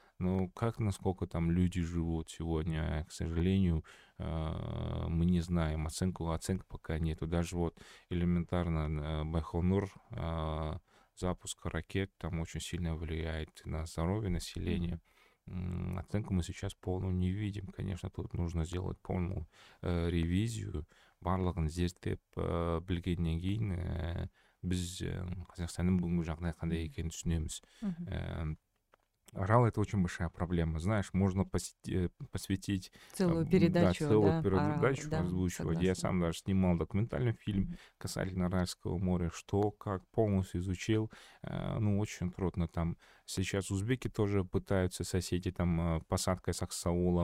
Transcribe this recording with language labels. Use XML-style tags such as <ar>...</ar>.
<ru>Ну, как, насколько там люди живут сегодня, к сожалению, мы не знаем, оценок пока нету. Даже вот элементарно Байконур, запуск ракет там очень сильно влияет на здоровье населения. Оценку мы сейчас полную не видим. Конечно, тут нужно сделать полную ревизию.</ru> <kk>Барлығын зерттеп білгеннен кейін, біз Қазақстанның бүгінгі жағдайы қандай екенін түсінеміз.</kk> <ru>Арал — это очень большая проблема. Знаешь, можно посвятить целую передачу, да, целую, передачу озвучивать. Я сам даже снимал документальный фильм касательно Аральского моря. Что, как, полностью изучил. Ну, очень трудно там. Сейчас узбеки тоже пытаются, соседи там, посадкой саксаула.</ru>